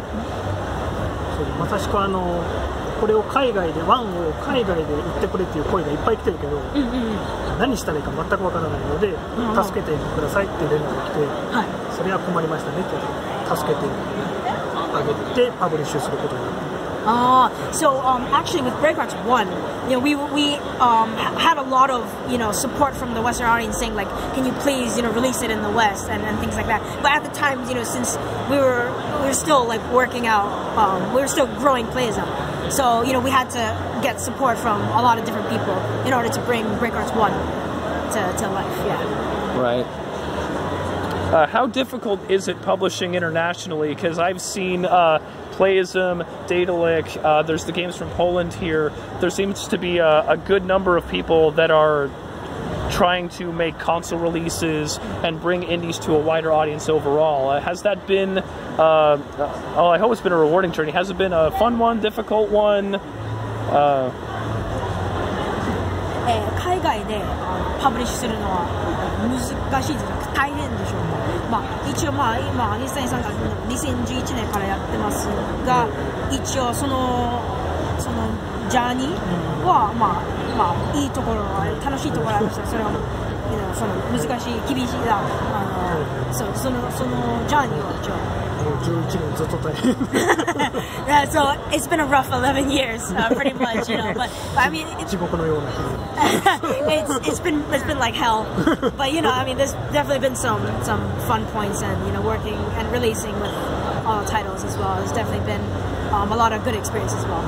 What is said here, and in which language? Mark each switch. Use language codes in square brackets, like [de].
[ja] So, これを海外でワンを海外で売ってくれっていう声がいっぱい来てるけど、何したらいいか全くわからないので、助けてくださいっていう連絡が来て、それは困りましたねって助けてあげてパブリッシュすることになった。 [en] So actually with Break Arts 1, you know, we had a lot of, you know, support from the Western audience saying like, can you please, you know, release it in the West and things like that. But at the time, you know, since we were still like working out, we were still growing PLAYISM. So, you know, we had to get support from a lot of different people in order to bring Break Arts 1 to life, yeah. Right. How difficult is it publishing internationally? Because I've seen PLAYISM, Datalic, there's the games from Poland here. There seems to be a good number of people that are trying to make console releases and bring indies to a wider audience overall. Has that been... I hope it's been a rewarding journey. Has it been a fun one, difficult one? [ja] 海外でパブリッシュするのは難しいというか大変でしょう。まあ一応まあ今アニスタインさんが2011年からやってますが、一応そのジャーニーはまあまあいいところ、楽しいところありました。それはその難しい厳しいな、そのジャーニーは一応。 [en] Yeah, so it's been a rough 11 years, pretty much, you know. But I mean, it's been like hell. But you know, I mean, there's definitely been some fun points, and you know, working and releasing with all the titles as well. It's definitely been a lot of good experience as well.